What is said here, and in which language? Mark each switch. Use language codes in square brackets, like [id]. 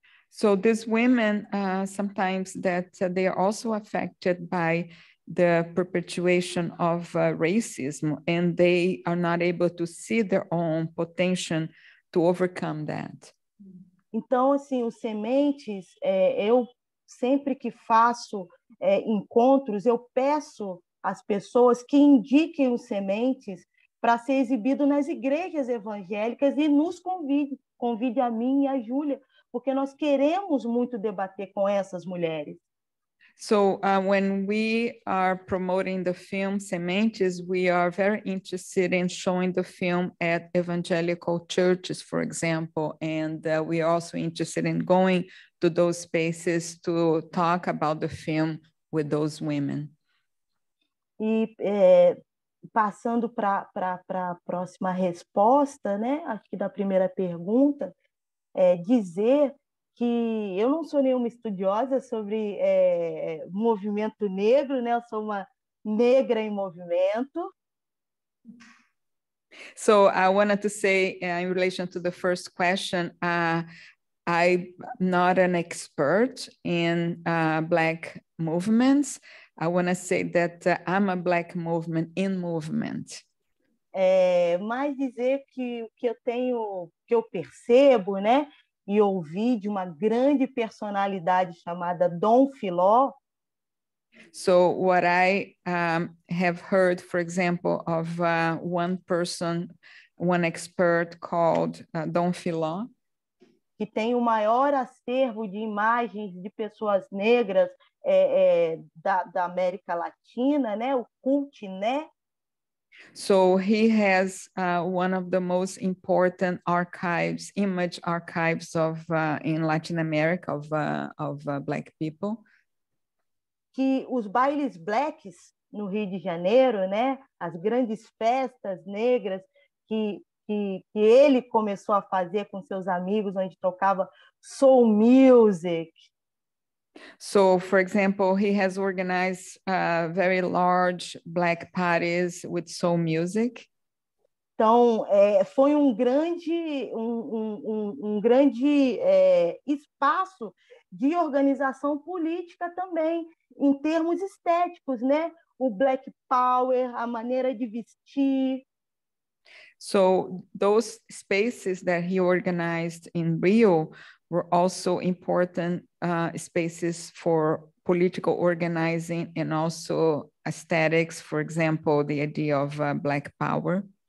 [en] So these women, sometimes that they are also affected by the perpetuation of racism and they are not able to see their own potential to overcome that. [pt] Então, assim, os Sementes, eu sempre que faço encontros, eu peço às pessoas que indiquem os Sementes para ser exibido nas igrejas evangélicas e nos convide a mim e a Júlia, porque nós queremos muito debater com essas mulheres. [en] So, when we are promoting the film Sementes, we are very interested in showing the film at evangelical churches, for example, and we are also interested in going to those spaces to talk about the film with those women. [pt] E passando para a próxima resposta, né, acho que da primeira pergunta, dizer que eu não sou nenhuma estudiosa sobre movimento negro, né? Eu sou uma negra em movimento. [en] So I wanted to say, in relation to the first question, I'm not an expert in black movements. I want to say that I'm a black movement in movement. [pt] Mas dizer que o que eu tenho, que eu percebo, né? E ouvi de uma grande personalidade chamada Dom Filó. [en] So what I have heard, for example, of one person, one expert called Dom Filó, [pt] que tem o maior acervo de imagens de pessoas negras da América Latina, né? O cult, né? [en] So he has one of the most important archives, image archives of in Latin America of black people. [pt] Que os bailes blacks no Rio de Janeiro, né, as grandes festas negras que ele começou a fazer com seus amigos, onde tocava soul music. [en] So, for example, he has organized very large black parties with soul music. [pt] Então, foi um grande espaço de organização política também, em termos estéticos, né? O black power, a maneira de vestir. [en] So, those spaces that he organized in Rio were also important spaces for political organizing and also aesthetics, for example, the idea of black power.